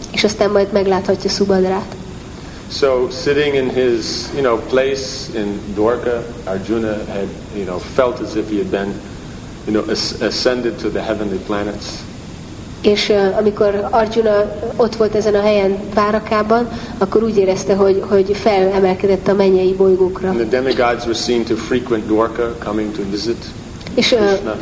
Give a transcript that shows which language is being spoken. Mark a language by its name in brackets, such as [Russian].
[Hungarian] És aztán majd megláthatja Subhadrát. [English] So sitting in his, you know, place in Dwarka, Arjuna had, you know, felt as if he had been, you know, ascended to the heavenly planets. [Hungarian] És amikor Arjuna ott volt ezen a helyen Dvárakában, akkor úgy érezte, hogy felemelkedett a mennyei bolygókra. [English] And the demigods were seen to frequent Dwarka, coming to visit Krishna.